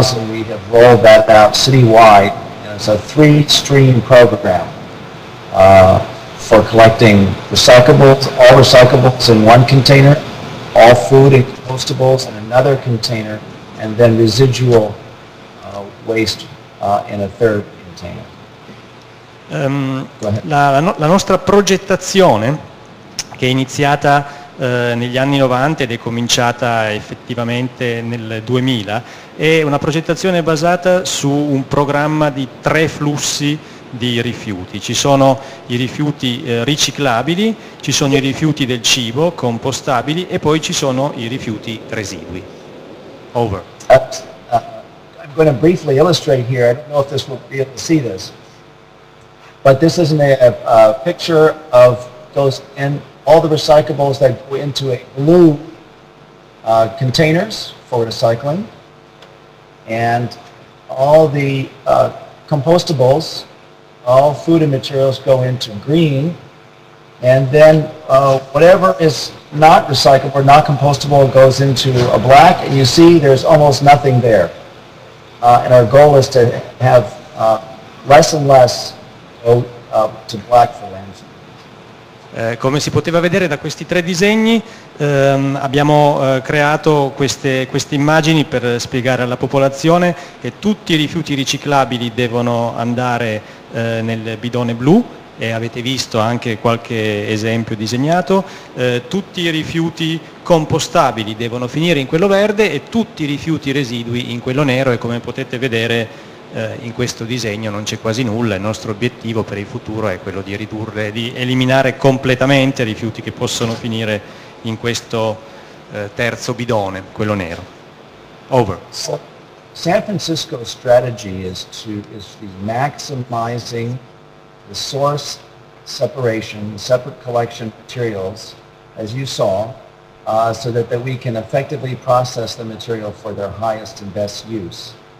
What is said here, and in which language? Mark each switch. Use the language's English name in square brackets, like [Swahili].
[English] We have rolled that out citywide as a three-stream program for collecting recyclables, all recyclables in one container, all food and compostables in another container, and then residual waste in a third container. [Italian] La nostra progettazione, che è iniziata negli anni 90 ed è cominciata effettivamente nel 2000, è una progettazione basata su un programma di tre flussi di rifiuti. Ci sono i rifiuti riciclabili, ci sono i rifiuti del cibo compostabili e poi ci sono i rifiuti residui. [English] Over. I'm going to briefly illustrate here. I don't know if this will be able to see this, but this is a picture of those in all the recyclables that go into a blue containers for recycling, and all the compostables, all food and materials go into green, and then whatever is not recyclable or not compostable goes into a black, and you see there's almost nothing there. And our goal is to have less and less go to black for landfill. [Italian] Come si poteva vedere da questi tre disegni, abbiamo creato queste immagini per spiegare alla popolazione che tutti i rifiuti riciclabili devono andare nel bidone blu, e avete visto anche qualche esempio disegnato, tutti i rifiuti compostabili devono finire in quello verde e tutti i rifiuti residui in quello nero, e come potete vedere in questo disegno non c'è quasi nulla. Il nostro obiettivo per il futuro è quello di ridurre, di eliminare completamente i rifiuti che possono finire in questo terzo bidone, quello nero. [English] Over. So, San Francisco's strategy is the maximizing the source separation, the separate collection materials, as you saw, so that we can effectively process the material for their highest and best use.